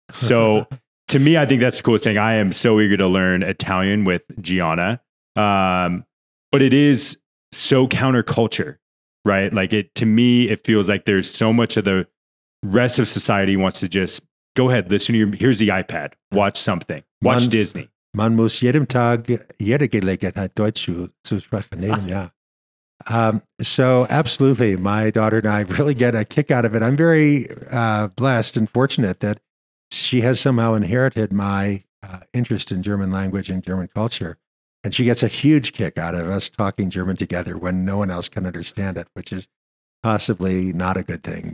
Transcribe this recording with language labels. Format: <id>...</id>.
<en>So to me, I think that's the coolest thing. I am so eager to learn Italian with Gianna, but it is so counterculture, right? Like it, to me, it feels like there's so much of the rest of society wants to just go ahead, listen to your, here's the iPad, watch something, watch man, Disney.</en> <de>Man muss jeden Tag jede Gelegenheit Deutsch zu sprechen nehmen, ja.</de> <en>So absolutely, my daughter and I really get a kick out of it. I'm very blessed and fortunate that she has somehow inherited my interest in German language and German culture. And she gets a huge kick out of us talking German together when no one else can understand it, which is possibly not a good thing.</en>